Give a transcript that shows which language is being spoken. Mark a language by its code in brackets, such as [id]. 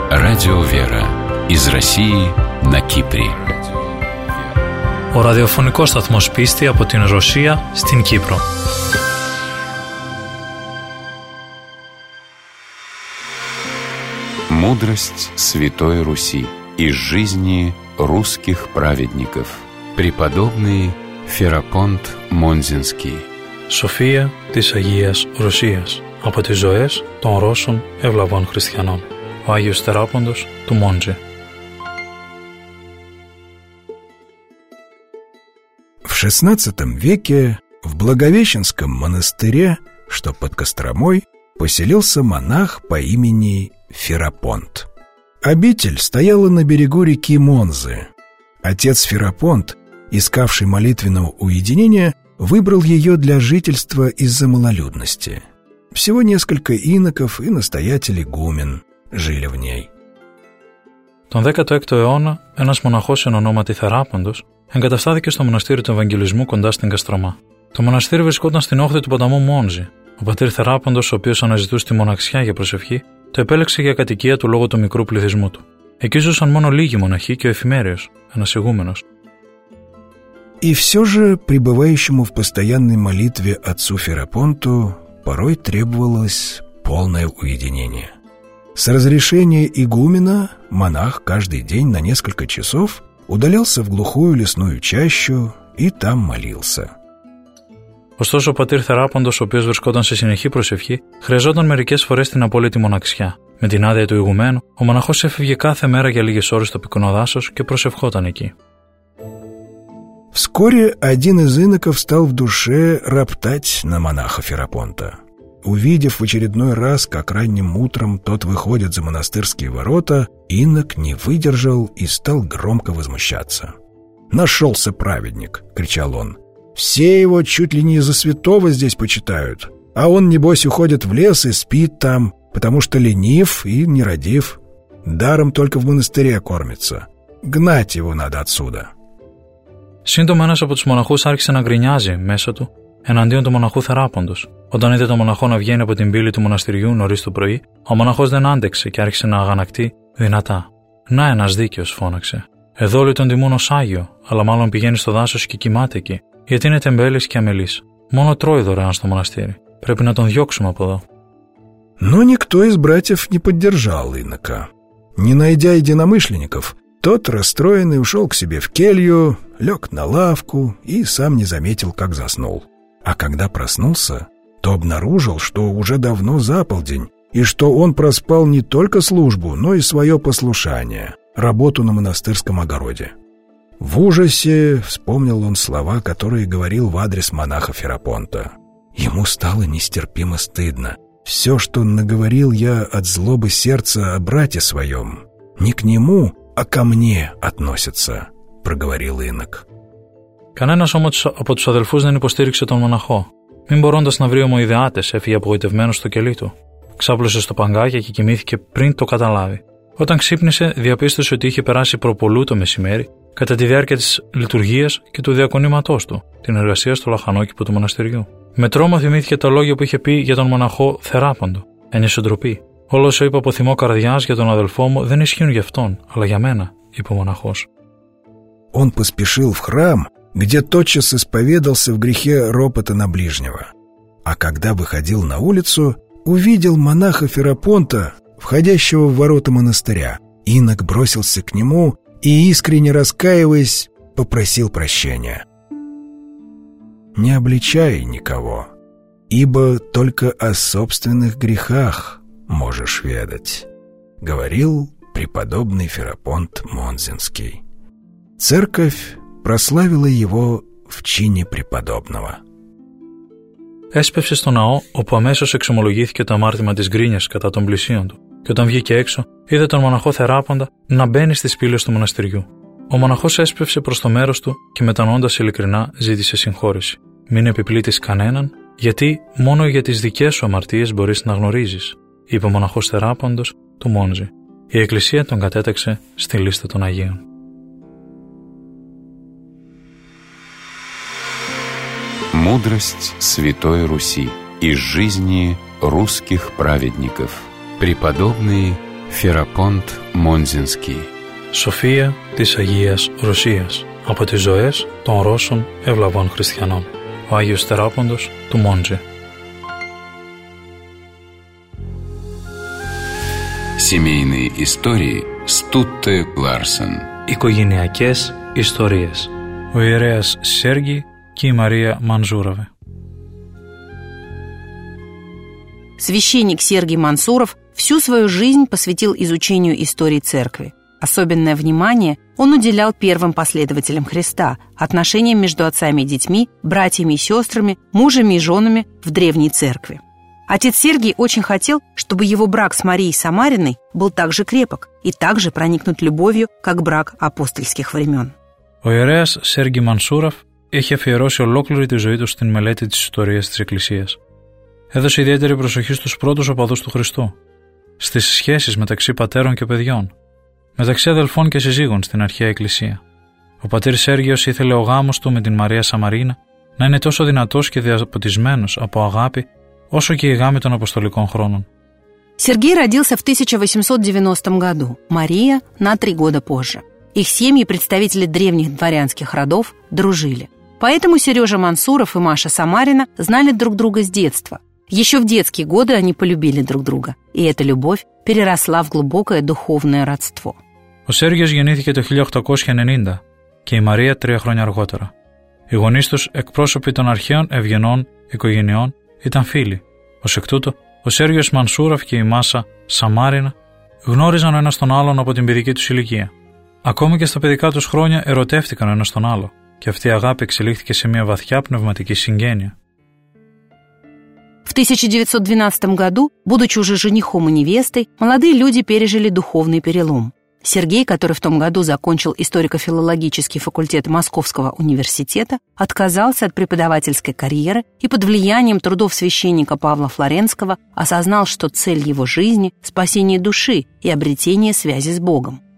[ru] Радио Вера из России на Кипре. [el] Ο ραδιοφωνικός σταθμός πίστη από την Ρωσία στην Κύπρο. [ru] Мудрость Святой Руси из жизни русских праведников. Преподобный Ферапонт Монзинский. [el] София της Агίας Ρωσίας. Από τις ζωές των Ρώσων ευλαβών χριστιανών. Ο Άγιος Τεράποντος του Μόντζε. [ru] В 16 веке в Благовещенском монастыре, что под Костромой, поселился монах по имени Ферапонт. Обитель стояла на берегу реки Монзы. Отец Ферапонт, искавший молитвенного уединения, выбрал ее для жительства из-за малолюдности. Всего несколько иноков и настоятель игумен жили в ней. [el] Τον 16ο αιώνα, ένας μοναχός εν ονόματι Θεράποντος εγκαταστάθηκε στο μοναστήρι του Ευαγγελισμού κοντά στην Καστρωμά. Το μοναστήρι βρισκόταν στην όχθη του ποταμού Μόνζη. Ο πατήρ Θεράποντος, ο οποίος αναζητούσε τη μοναξιά για προσευχή, το επέλεξε για κατοικία του λόγω του μικρού πληθυσμού του. Εκεί ζούσαν μόνο λίγοι μοναχοί και ο Εφημέριος, ένας ηγούμενος. [ru] И все же пребывающему в постоянной молитве отцу Ферапонту порой требовалось полное уединение. С разрешения игумена монах каждый день на несколько часов удалялся в глухую лесную чащу и там молился. [el] Ωστόσο, ο πατήρ Θεράποντος, ο οποίος βρισκόταν σε συνεχή προσευχή, χρειαζόταν μερικές φορές την απόλυτη μοναξιά. Με την άδεια του ηγουμένου, ο μοναχός έφευγε κάθε μέρα για λίγες ώρες στο πυκνό δάσος και προσευχόταν εκεί. [ru] Вскоре один из иноков стал в душе роптать на монаха Ферапонта. Увидев в очередной раз, как ранним утром тот выходит за монастырские ворота, инок не выдержал и стал громко возмущаться. «Нашелся праведник!» — кричал он. «Все его чуть ли не за святого здесь почитают, а он, небось, уходит в лес и спит там, потому что ленив и нерадив. Даром только в монастыре кормится. Гнать его надо отсюда!» [el] Сύντομα ένας από τους μοναχούς άρχισε να γκρινιάζει μέσα του εναντίον του μοναχού Θεράποντος. Όταν είδε τον μοναχό να βγαίνει από την πύλη του μοναστηριού νωρίς το πρωί, ο μοναχός δεν άντεξε και άρχισε να αγανακτεί δυνατά. «Να ένας δίκαιος», φώναξε. «Εδώ όλοι τον τιμούν ως Άγιο, αλλά μάλλον πηγαίνει στο δάσος και κοιμάται εκεί, γιατί είναι τεμπέλης και αμελής. Μόνο τρώει δωρεάν στο μοναστήρι. Πρέπει να τον διώξουμε από εδώ». [ru] Но никто из братьев не поддержал инока. Не найдя единомышленников, тот расстроенный ушел к себе в келью, лег на лавку и сам не заметил, как заснул. А когда проснулся, то обнаружил, что уже давно за полдень, и что он проспал не только службу, но и свое послушание, работу на монастырском огороде. В ужасе вспомнил он слова, которые говорил в адрес монаха Ферапонта. Ему стало нестерпимо стыдно. «Все, что наговорил я от злобы сердца о брате своем, не к нему, а ко мне относится», — проговорил инок. [el] Κανένας όμως από τους αδελφούς δεν υποστήριξε τον μοναχό. Μην μπορώντας να βρει ομοειδεάτες, έφυγε απογοητευμένος στο κελί του. Ξάπλωσε στο παγκάκι και κοιμήθηκε πριν το καταλάβει. Όταν ξύπνησε, διαπίστωσε ότι είχε περάσει προπολού το μεσημέρι, κατά τη διάρκεια της λειτουργίας και του διακονήματός του, την εργασία στο λαχανόκηπο του μοναστηριού. Με τρόμο θυμήθηκε τα λόγια που είχε πει για τον μοναχό Θεράποντο. Ένιωσε ντροπή. «Όλα όσα είπα από θυμό καρδιάς για τον αδελφό μου δεν ισχύουν για αυτόν, αλλά για μένα», είπε ο μοναχός. [ru] Он поспешил в храм, где тотчас исповедался в грехе ропота на ближнего. а когда выходил на улицу, увидел монаха Ферапонта, входящего в ворота монастыря. Инок бросился к нему и, искренне раскаиваясь, попросил прощения. «Не обличай никого, ибо только о собственных грехах можешь ведать», — говорил преподобный Ферапонт Монзенский. Церковь прославила его в чине преподобного. [el] Έσπευσε στο ναό, όπου αμέσως εξομολογήθηκε το αμάρτημα της γκρίνιας κατά των πλησίων του, και όταν βγήκε έξω, είδε τον μοναχό Θεράπαντα να μπαίνει στις πύλες του μοναστηριού. Ο μοναχός έσπευσε προς το μέρος του και μετανοώντας ειλικρινά ζήτησε συγχώρηση. «Μην επιπλήττεις κανέναν, γιατί μόνο για τις δικές σου αμαρτίες μπορείς να γνωρίζεις», είπε ο μοναχός Θεράποντος του Μόνζη. Η Εκκλησία τον κατέταξε στη λίστα των Αγίων. [ru] Мудрость Святой Руси из жизни русских праведников. Преподобный Ферапонт Монзенский. [el] София της Агίας Ρωσίας. Από τις ζωές των Ρώσων ευλαβών χριστιανών. Ο Άγιος Θεράποντος του Μόντζε. [ru] Семейные истории Стутте Ларсен. [el] Οικογενειακές ιστορίες. Ο ιερέας Σέργη και η Μαρία Μαντζούραβε. [ru] Священник Сергий Мансуров всю свою жизнь посвятил изучению истории церкви. Особенное внимание он уделял первым последователям Христа, отношениям между отцами и детьми, братьями и сестрами, мужами и женами в древней церкви. Отец Сергий очень хотел, чтобы его брак с Марией Самариной был так же крепок и так же проникнут любовью, как брак апостольских времен. [el] Ο ιερέας Сергий Мансуров έχει αφιερώσει ολόκληρη τη ζωή του στην μελέτη της ιστορίας της Εκκλησίας. Έδωσε ιδιαίτερη προσοχή στους πρώτους οπαδούς του Χριστού, στις σχέσεις μεταξύ πατέρων και παιδιών, μεταξύ αδελφών και συζύγων στην αρχαία Εκκλησία. Ο πατήρ Σέργιος ήθελε ο γάμος του με την Μαρία Σαμαρίνα να είναι τόσο δυνατός και διαποτισμένος από αγάπη, όσο και η γάμη των Αποστολικών χρόνων. [ru] Сергей родился в 1890 году, Мария на 3 года позже. Их семьи, представители древних дворянских родов, дружили. Поэтому Сережа Мансуров и Маша Самарина знали друг друга с детства. Еще в детские годы они полюбили друг друга. И эта любовь переросла в глубокое духовное родство. [el] Ο Сергиος γεννήθηκε το 1890 και η Μαρία 3 χρόνια αργότερα. Οι γονείς τους, εκπρόσωποι των αρχαίων ευγενών οικογενειών, ήταν φίλοι. Ως εκ τούτου, ο Σέργιος Μανσούραφ και η Μάσα Σαμάρινα γνώριζαν ο ένας τον άλλον από την παιδική τους ηλικία. Ακόμη και στα παιδικά τους χρόνια ερωτεύτηκαν ο ένας τον άλλο και αυτή η αγάπη εξελίχθηκε σε μια βαθιά πνευματική συγγένεια. [ru] В 1912 году, будучи уже женихом и невестой, молодые люди пережили духовный перелом. Сергей, который в том году закончил историко-филологический факультет Московского университета, отказался от преподавательской карьеры и под влиянием трудов священника Павла Флоренского осознал, что цель его жизни – спасение души и обретение связи с Богом.